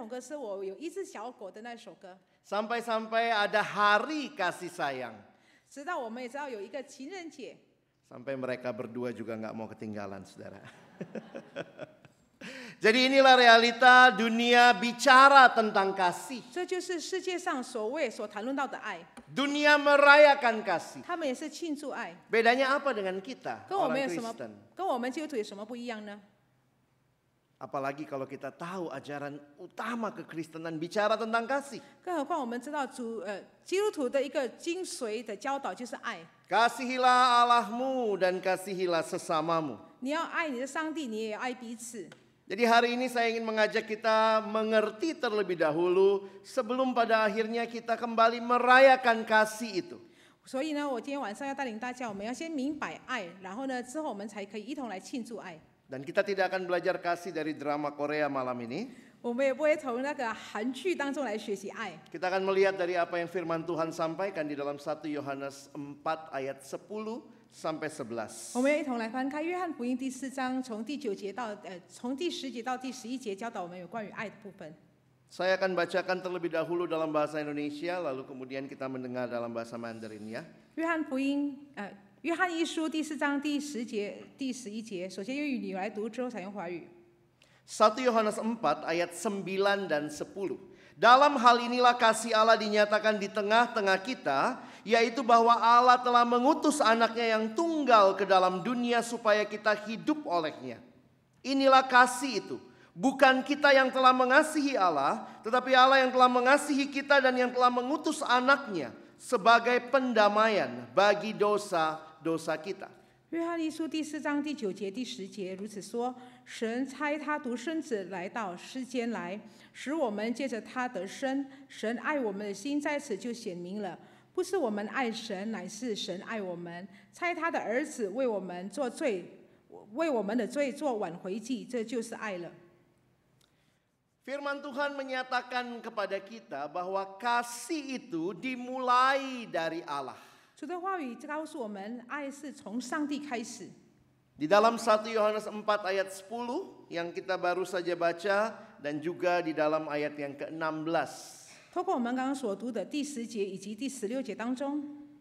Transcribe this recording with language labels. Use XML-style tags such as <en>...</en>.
<zh>所以呢，我们知道儿童歌的话，印尼有一种儿童歌，是我有一只小狗的那首歌。</zh> <id>Sampai-sampai ada hari kasih sayang.</id> <zh>直到我们也知道有一个情人节。</zh> <id>Sampai mereka berdua juga enggak mau ketinggalan, saudara. Jadi inilah realita dunia bicara tentang kasih.</id> <zh>这就是世界上所谓所谈论到的爱。</zh> <id>Dunia merayakan kasih.</id> <zh>他们也是庆祝爱。</zh> <id>Bedanya apa dengan kita, orang Kristen?</id> <zh>跟我们基督徒有什么不一样呢？</zh> <id>Apalagi kalau kita tahu ajaran utama kekristenan bicara tentang kasih.</id> <zh>更何况我们知道基督徒的一个精髓的教导就是爱。</zh> <id>Kasihilah Allahmu dan kasihilah sesamamu.</id> <zh>你要爱你的上帝，你也要爱彼此。</zh> <id>Jadi hari ini saya ingin mengajak kita mengerti terlebih dahulu sebelum pada akhirnya kita kembali merayakan kasih itu.</id> <zh>所以呢，我今天晚上要带领大家，我们要先明白爱，然后呢，之后我们才可以一同来庆祝爱。</zh> <id>Dan kita tidak akan belajar kasih dari drama Korea malam ini。</id> <zh>我们也不会从那个韩剧当中来学习爱。</zh> <id>Kita akan melihat dari apa yang Firman Tuhan sampaikan di dalam 1 Yohanes 4 ayat 10 sampai 11。</id> <zh>我们要一同来翻开约翰福音第四章，从第九节到从第十节到第十一节教导我们有关于爱的部分。</zh> <id>Saya akan bacakan terlebih dahulu dalam bahasa Indonesia, lalu kemudian kita mendengar dalam bahasa Mandarin ya.</id> <zh>Yohanes 福音，约翰一书第四章第十节第十一节，首先用语你来读，之后采用华语。</zh> <id>1 Yohanes 4 ayat 9 dan 10. Dalam hal inilah kasih Allah dinyatakan di tengah-tengah kita, yaitu bahwa Allah telah mengutus anaknya yang tunggal ke dalam dunia supaya kita hidup olehnya. Inilah kasih itu. Bukan kita yang telah mengasihi Allah, tetapi Allah yang telah mengasihi kita dan yang telah mengutus anaknya sebagai pendamaian bagi dosa-dosa kita.</id> <zh>约翰一书第四章第九节第十节如此说，神差他独生子来到世间来，使我们借着他得生。神爱我们的心在此就显明了，不是我们爱神，乃是神爱我们，差他的儿子为我们做罪，为我们的罪做挽回祭，这就是爱了。</zh> <id>Firman Tuhan menyatakan kepada kita bahwa kasih itu dimulai dari Allah.</id> <zh>主的话语告诉我们，爱是从上帝开始。</zh> <id>Di dalam 1 Yohanes 4 ayat 10 yang kita baru saja baca dan juga di dalam ayat yang ke-16.</id> <zh>透过我们刚刚所读的第十节以及第十六节当中。</zh>